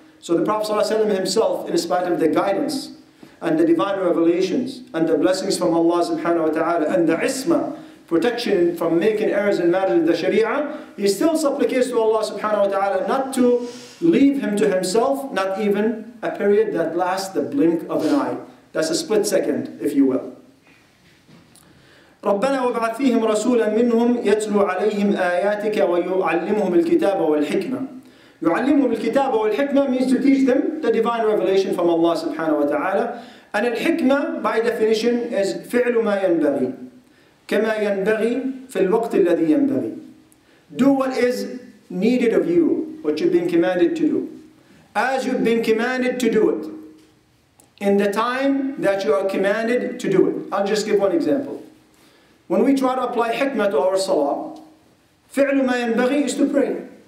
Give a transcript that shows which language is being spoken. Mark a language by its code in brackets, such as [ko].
[en] So the Prophet ﷺ himself, in spite of the guidance and the divine revelations and the blessings from Allah subhanahu wa ta'ala and the ismah, protection from making errors in matters of the sharia, he still supplicates to Allah subhanahu wa ta'ala not to leave him to himself, not even a period that lasts the blink of an eye. That's a split second, if you will. [ar] ربنا وابعث فيهم رسولا منهم يتلو عليهم آياتك ويعلمهم الكتاب والحكمة. يعلمهم الكتاب والحكمة [en] means to teach them the divine revelation from Allah subhanahu wa ta'ala. [ar] And الحكمة [en] by definition is [ar] فعل ما ينبغي كما ينبغي في الوقت الذي ينبغي. [en] Do what is needed of you, what you've been commanded to do, as you've been commanded to do it, in the time that you are commanded to do it. I'll just give one example. When we try to apply hikmah to our salah, [ar] فعل ما ينبغي [en] is to pray.